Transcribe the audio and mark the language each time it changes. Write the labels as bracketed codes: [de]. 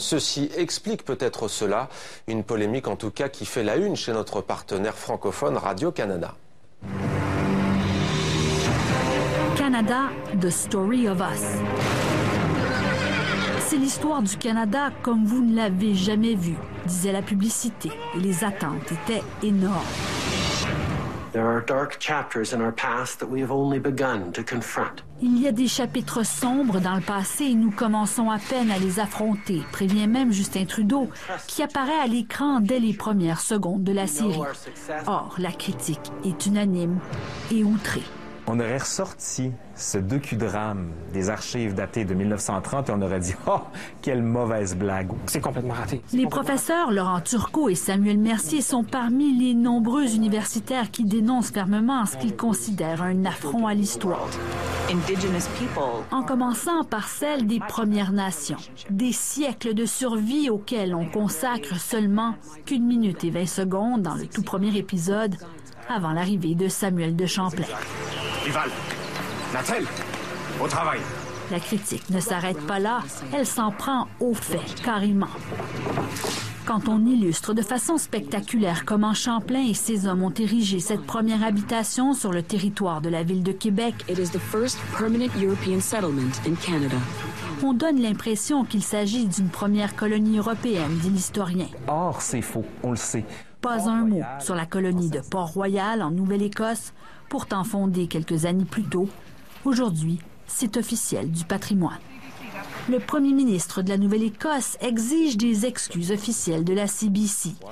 [fr] Ceci explique peut-être cela, une polémique en tout cas qui fait la une chez notre partenaire francophone Radio-Canada. [en] Canada, The Story of Us. [fr] C'est l'histoire du Canada comme vous ne l'avez jamais vue, disait la publicité, et les attentes étaient énormes. [en] There are dark chapters in our past that we have only begun to confront. [fr] Il y a des chapitres sombres dans le passé et nous commençons à peine à les affronter, prévient même Justin Trudeau, qui apparaît à l'écran dès les premières secondes de la série. Or, la critique est unanime et outrée. On aurait ressorti ce docudrame des archives datées de 1930 et on aurait dit « Oh, quelle mauvaise blague! » C'est complètement raté. Les professeurs Laurent Turcot et Samuel Mercier sont parmi les nombreux universitaires qui dénoncent fermement ce qu'ils considèrent un affront à l'histoire. En commençant par celle des Premières Nations, des siècles de survie auxquels on consacre seulement qu'une minute et 20 secondes dans le tout premier épisode, avant l'arrivée de Samuel de Champlain. Rival, Nathalie, au travail. La critique ne s'arrête pas là, elle s'en prend aux faits, carrément. Quand on illustre de façon spectaculaire comment Champlain et ses hommes ont érigé cette première habitation sur le territoire de la ville de Québec, [en] it is the first permanent European settlement in Canada. [fr] On donne l'impression qu'il s'agit d'une première colonie européenne, dit l'historien. Or, c'est faux, on le sait. Pas un mot sur la colonie de Port-Royal en Nouvelle-Écosse, pourtant fondée quelques années plus tôt. Aujourd'hui, c'est officiel du patrimoine. Le premier ministre de la Nouvelle-Écosse exige des excuses officielles de la CBC.